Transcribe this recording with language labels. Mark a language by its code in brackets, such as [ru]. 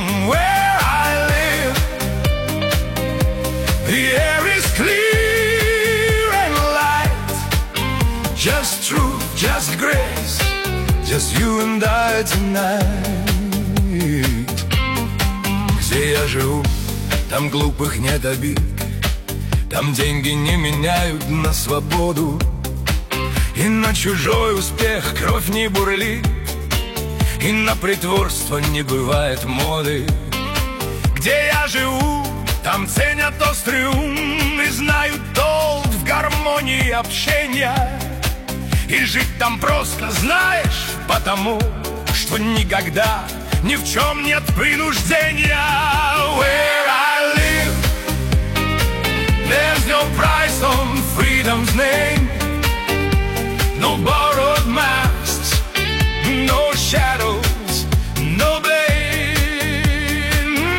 [en] Where I live, the air is clear and light. Just truth, just grace, just you and I tonight. [ru] Где я живу, там глупых нет обид. Там деньги не меняют на свободу, и на чужой успех кровь не бурлит, и на притворство не бывает моды. Где я живу, там ценят острый ум и знают толк в гармонии общения. И жить там просто, знаешь, потому что никогда ни в чем нет принуждения. [en] Where I live, there's no price on freedom's name. No borrowed masks, no shadows, no blame.